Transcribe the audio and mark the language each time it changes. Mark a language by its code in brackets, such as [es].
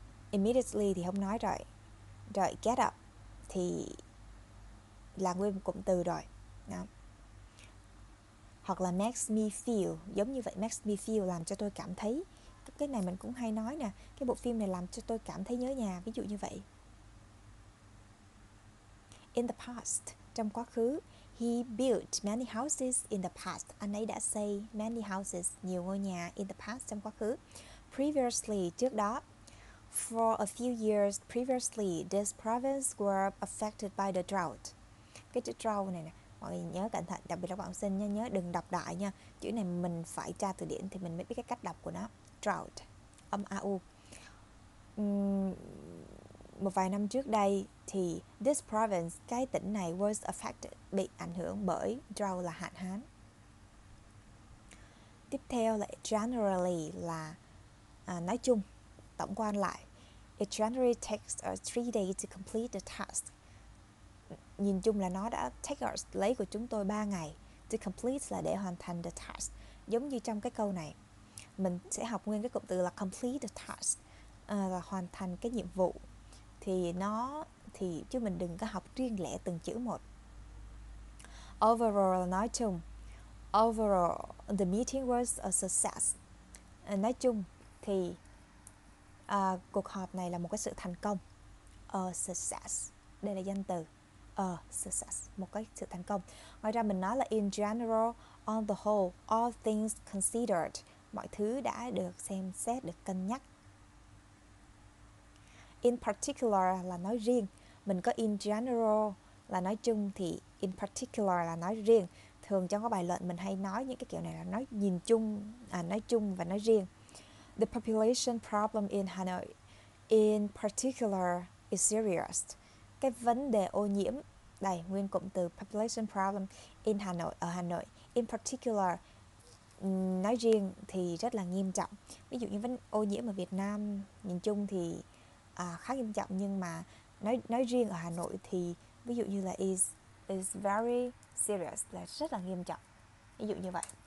[vi] Immediately thì không nói rồi. Rồi [en] get up [vi] thì là nguyên một cụm từ rồi. Đó. Hoặc là [en] makes me feel, [vi] giống như vậy, makes me feel, làm cho tôi cảm thấy. Cái này mình cũng hay nói nè, cái bộ phim này làm cho tôi cảm thấy nhớ nhà, ví dụ như vậy. [en] In the past, [vi] trong quá khứ, [en] he built many houses in the past. [vi] Anh ấy đã xây [en] many houses, [vi] nhiều ngôi nhà, [en] in the past, [vi] trong quá khứ. Previously, trước đó. [en] For a few years previously, this province were affected by the drought. [vi] Cái chữ drought này nè, mọi người nhớ cẩn thận, đặc biệt là bọn học sinh nha, nhớ đừng đọc đại nha. Chữ này mình phải tra từ điển thì mình mới biết cái cách đọc của nó. Drought, âm AU. Một vài năm trước đây thì [en] this province, [vi] cái tỉnh này [en] was affected, [vi] bị ảnh hưởng bởi drought là hạn hán. Tiếp theo là generally là nói chung, tổng quan lại. [en] It generally takes us 3 days to complete the task. [vi] Nhìn chung là nó đã [en] take us, [vi] lấy của chúng tôi 3 ngày. [en] To complete [vi] là để hoàn thành [en] the task. [vi] Giống như trong cái câu này, mình sẽ học nguyên cái cụm từ là [en] complete the task, [vi] là hoàn thành cái nhiệm vụ. Thì nó thì chứ mình đừng có học riêng lẻ từng chữ một. [en] Overall, nói chung, [vi] overall [en] the meeting was a success. [vi] Nói chung thì cuộc họp này là một cái sự thành công. [en] A success, [vi] đây là danh từ. A success, một cái sự thành công. Ngoài ra mình nói là [en] in general, on the whole, all things considered, [vi] mọi thứ đã được xem xét, được cân nhắc. [en] In particular [vi] là nói riêng. Mình có [en] in general [vi] là nói chung, thì [en] in particular [vi] là nói riêng. Thường trong các bài luận mình hay nói những cái kiểu này là nói nhìn chung, nói chung và nói riêng. [en] The population problem in Hanoi in particular is serious. [vi] Cái vấn đề ô nhiễm, đây nguyên cụm từ [en] population problem in Hanoi, [vi] ở Hà Nội [en] in particular, [vi] nói riêng thì rất là nghiêm trọng. Ví dụ như vấn ô nhiễm ở Việt Nam nhìn chung thì khá nghiêm trọng, nhưng mà nói riêng ở Hà Nội thì ví dụ như là [en] is very serious, [vi] là rất là nghiêm trọng. Ví dụ như vậy.